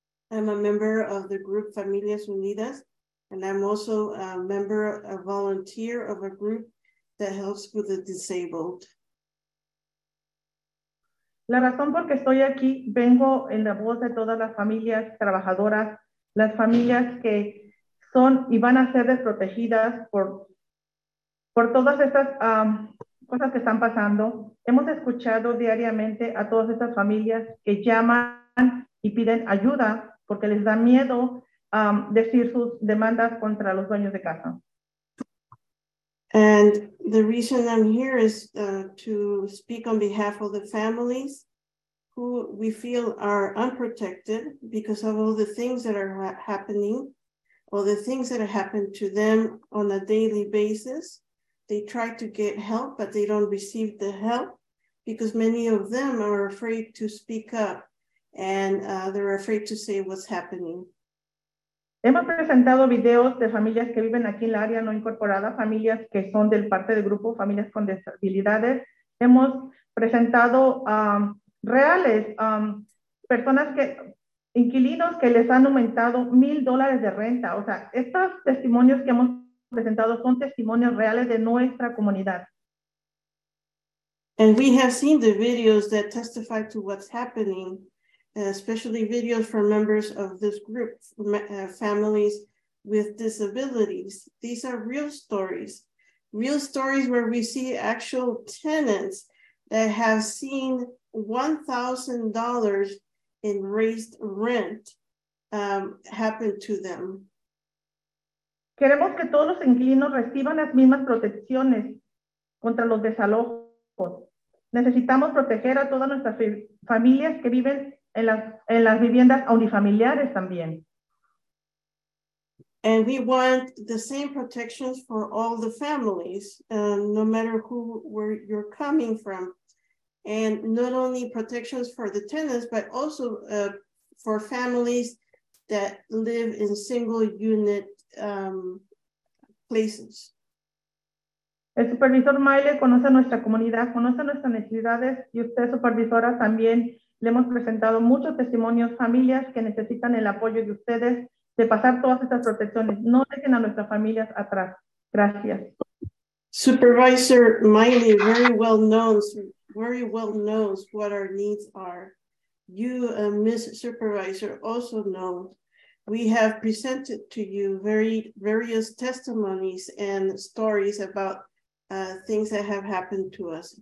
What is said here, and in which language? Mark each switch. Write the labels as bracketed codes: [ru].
[en] I'm a member of the group Familias Unidas, and I'm also a member, a volunteer of a group that helps with the disabled. [es] La razón por que estoy aquí, vengo en la voz de todas las familias trabajadoras, las familias que son y van a ser desprotegidas por todas estas cosas que están pasando. Hemos escuchado diariamente a todas estas familias que llaman y piden ayuda porque les da miedo decir sus demandas contra los dueños de casa. [en] And the reason I'm here is to speak on behalf of the families who we feel are unprotected because of all the things that are happening, all the things that have happened to them on a daily basis. They try to get help, but they don't receive the help because many of them are afraid to speak up and they're afraid to say what's happening. [es] Hemos presentado videos de familias que viven aquí en la área no incorporada, familias que son del parte del grupo, familias con disabilidades. Hemos presentado reales personas que, inquilinos que les han aumentado $1,000 de renta. O sea, estos testimonios que hemos presentado son testimonios reales de nuestra comunidad. [en] And we have seen the videos that testify to what's happening, especially videos from members of this group, families with disabilities. These are real stories where we see actual tenants that have seen $1,000 in raised rent happen to them. [es] Queremos que todos los inquilinos reciban las mismas protecciones contra los desalojos. Necesitamos proteger a todas nuestras familias que viven en las viviendas unifamiliares también. [en] And we want the same protections for all the families, no matter where you're coming from. And not only protections for the tenants, but also for families that live in single unit places. [es] El supervisor Maile conoce nuestra comunidad, conoce nuestras necesidades, y usted, supervisora, también le hemos presentado muchos testimonios, familias que necesitan el apoyo de ustedes de pasar todas estas protecciones. No dejen a nuestras familias atrás. Gracias. [en] Supervisor Miley very well knows what our needs are. You, Ms. Supervisor, also know. We have presented to you various testimonies and stories about things that have happened to us.